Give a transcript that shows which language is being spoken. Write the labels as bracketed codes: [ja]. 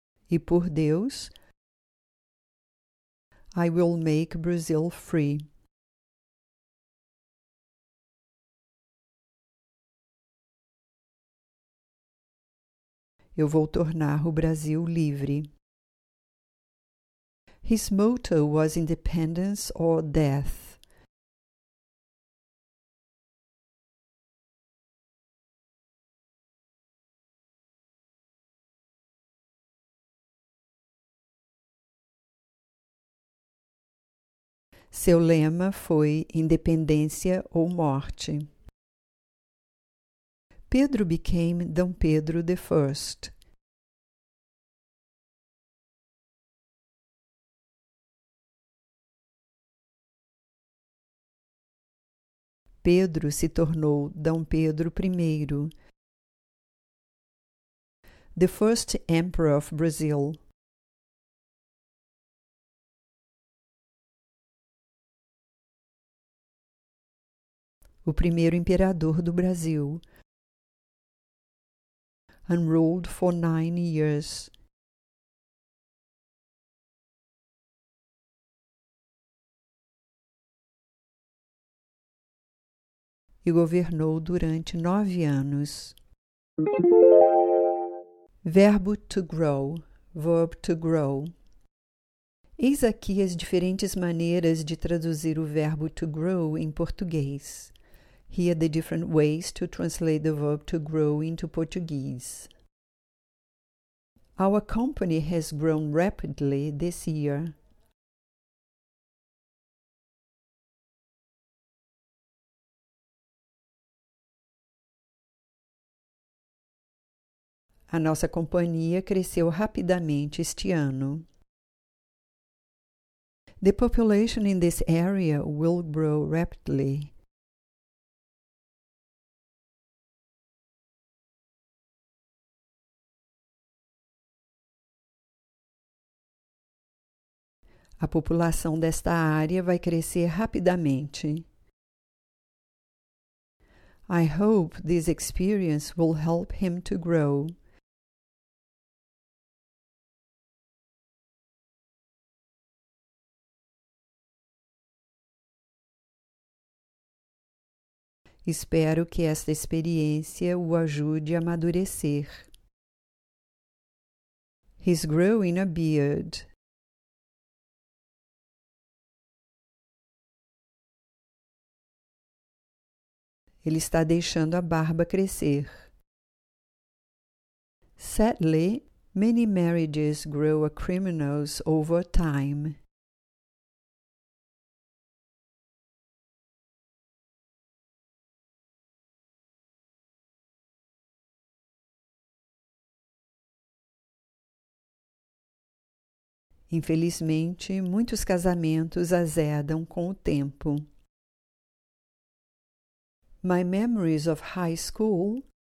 [pt] E por Deus, [en] I will make Brazil free. [pt] Eu vou tornar o Brasil livre. [en] His motto was independence or death. [pt] Seu lema foi independência ou morte. [en] Pedro became Dom Pedro I. [pt] Pedro se tornou Dom Pedro I. [en] The first emperor of Brazil. [pt] O primeiro imperador do Brasil. [en] And ruled for 9 years. [pt] E governou durante 9 anos. Verbo to grow. [en] Verb to grow. [pt] Eis aqui as diferentes maneiras de traduzir o verbo to grow em português. [en] Here are the different ways to translate the verb to grow into Portuguese. Our company has grown rapidly this year. [pt] A nossa companhia cresceu rapidamente este ano. [en] The population in this area will grow rapidly. [pt] A população desta área vai crescer rapidamente. [en] I hope this experience will help him to grow. [pt] Espero que esta experiência o ajude a amadurecer. [en] He's growing a beard. [pt] Ele está deixando a barba crescer. [en] Sadly, many marriages grow a criminal's over time. [pt] Infelizmente, muitos casamentos azedam com o tempo. [en] My memories of high school.